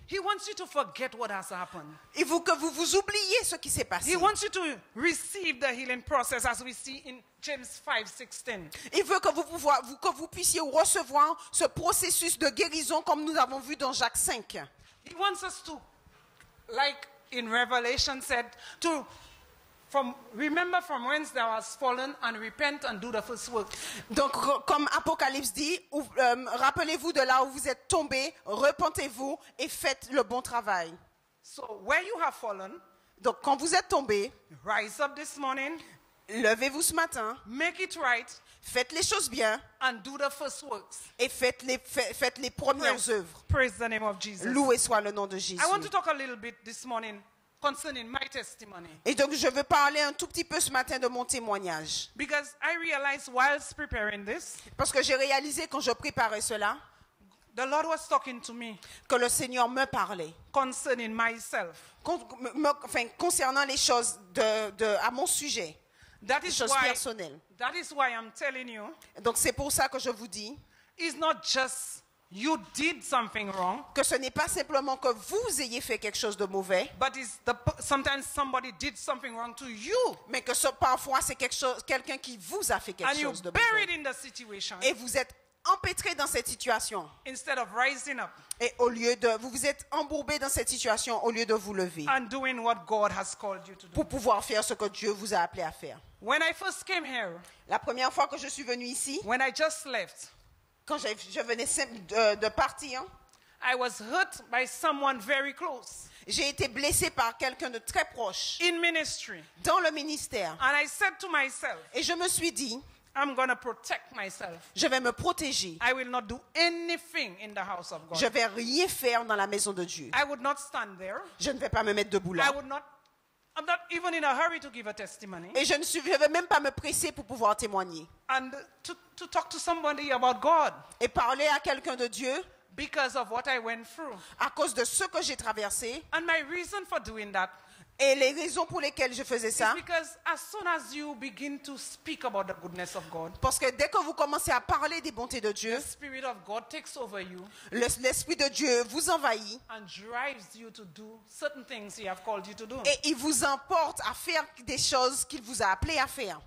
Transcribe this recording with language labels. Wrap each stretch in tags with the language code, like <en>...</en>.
<en>He wants you to forget what has happened.</en> <fr>Il veut que vous vous oubliez ce qui s'est passé.</fr> <en>He wants you to receive the healing process as we see in James 5:16.</en> <fr>Il veut que vous puissiez recevoir ce processus de guérison comme nous avons vu dans Jacques 5.</fr> <en>He wants us to, like in Revelation said, to remember from whence thou hast fallen and repent and do the first work.</en> <fr>Donc comme Apocalypse dit, rappelez-vous de là où vous êtes tombé, repentez-vous et faites le bon travail.</fr> <en>So where you have fallen,</en> <fr>donc quand vous êtes tombé,</fr> <en>rise up this morning,</en> <fr>levez-vous ce matin,</fr> <en>make it right,</en> <fr>faites les choses bien,</fr> <en>and do the first works,</en> <fr>et faites les premières œuvres.</fr> <en>Praise the name of Jesus.</en> <fr>Loué soit le nom de Jésus.</fr> <en>I want to talk a little bit this morning. Concerning my testimony.</en> <fr>Et donc je veux parler un tout petit peu ce matin de mon témoignage.</fr> <en>Because I realized whilst preparing this,</en> <fr>parce que j'ai réalisé quand je préparais cela,</fr> <en>the Lord was talking to me,</en> <fr>que le Seigneur me parlait</fr> <en>concerning myself,</en> <fr>concernant les choses à mon sujet,</fr> <en>that is</en> <fr>les choses personnelles.</fr> <en>That is why I'm telling you,</en> <fr>donc c'est pour ça que je vous dis,</fr> <en>it's not just you did something wrong,</en> <fr>que ce n'est pas simplement que vous ayez fait quelque chose de mauvais,</fr> <en>but is sometimes somebody did something wrong to you,</en> <fr>mais que parfois c'est quelqu'un qui vous a fait quelque chose de mauvais,</fr> <en>and you buried in the situation,</en> <fr>et vous êtes empêtré dans cette situation,</fr> <en>instead of rising up,</en> <fr>et au lieu de vous vous êtes embourbé dans cette situation au lieu de vous lever,</fr> <en>and doing what God has called you to do,</en> <fr>pour pouvoir faire ce que Dieu vous a appelé à faire.</fr> <en>When I first came here,</en> <fr>la première fois que je suis venu ici,</fr> <en>when I just left,</en> <fr>quand je venais de partir,</fr> <en>I was hurt by someone very close.</en> <fr>J'ai été blessé par quelqu'un de très proche.</fr> <en>In ministry.</en> <fr>Dans le ministère.</fr> <en>And I said to myself,</en> <fr>et je me suis dit,</fr> <en>I'm gonna protect myself.</en> <fr>Je vais me protéger.</fr> <en>I will not do anything in the house of God.</en> <fr>Je vais rien faire dans la maison de Dieu.</fr> <en>I would not stand there.</en> <fr>Je ne vais pas me mettre debout là.</fr> <en>I'm not even in a hurry to give a testimony.</en> <fr>Et je ne veux même pas me presser pour pouvoir témoigner.</fr> <en>And to talk to somebody about God.</en> <fr>Et parler à quelqu'un de Dieu.</fr> <en>Because of what I went through.</en> <fr>À cause de ce que j'ai traversé.</fr> <en>And my reason for doing that.</en> <fr>Et les raisons pour lesquelles je faisais ça, parce que dès que vous commencez à parler des bontés de Dieu,</fr> <en>the Spirit of God takes over you,</en> <fr>l'Esprit de Dieu vous envahit</fr> <en>and drives you to do certain things he have called you to do.</en> <fr>Et il vous emporte à faire des choses qu'il vous a appelé à faire.</fr>